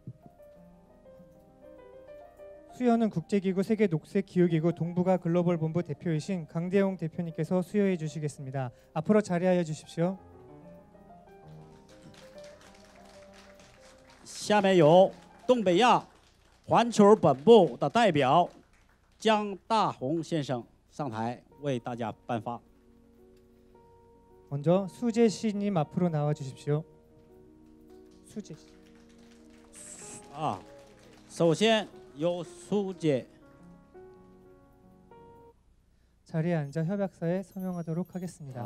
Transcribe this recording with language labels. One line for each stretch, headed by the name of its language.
Chinese: 以上结束亚洲环球世界本部的新会员的任命仪式。下面由东北亚的环球本部新会员的任命式现在要开始。
Korean: 수여는 국제기구 세계 녹색기후기구 동북아 글로벌 본부 대표이신 강대용 대표님께서 수여해 주시겠습니다. 앞으로 자리하여 주십시오.
Chinese: 下面由东北亚环球本部的代表江大红先生上台为大家颁发。
Korean: 먼저 수재 씨님 앞으로 나와 주십시오. 수재 씨.
Chinese: 아, 首先由苏姐
Korean: 자리에 앉아 협약서에 서명하도록 하겠습니다.